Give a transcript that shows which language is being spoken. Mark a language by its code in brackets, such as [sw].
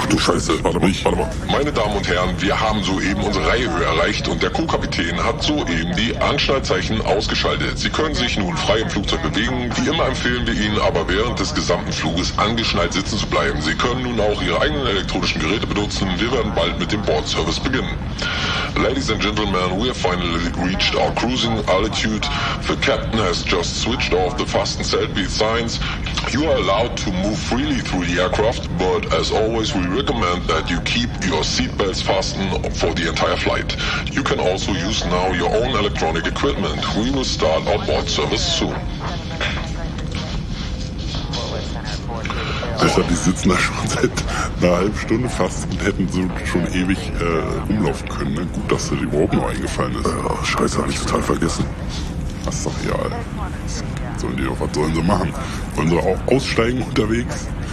[de] Ach du Scheiße, warte mal. Meine Damen und Herren, wir haben soeben unsere Reihe erreicht und der Co-Kapitän hat soeben die Anschnallzeichen ausgeschaltet. Sie können sich nun frei im Flugzeug bewegen. Wie immer empfehlen wir Ihnen aber während des gesamten Fluges angeschnallt sitzen zu bleiben. Sie können nun auch Ihre eigenen elektronischen Geräte benutzen. Wir werden bald mit dem Boardservice beginnen. [en] Ladies and gentlemen, we have finally reached our cruising altitude. The captain has just switched off the fasten seatbelt signs. You are allowed to move freely through the aircraft, but as always, we recommend that you keep your seatbelts fastened for the entire flight. You can also use now your own electronic equipment. We will start our board service soon. [de] Deshalb, die sitzen da schon seit einer halben Stunde fast und hätten so schon ewig rumlaufen können. Ne? Gut, dass dir die überhaupt noch eingefallen ist. Ja, Scheiße, hab ich total vergessen. Ach, sag ja, sollen die doch, was sollen sie machen? Wollen sie auch aussteigen unterwegs?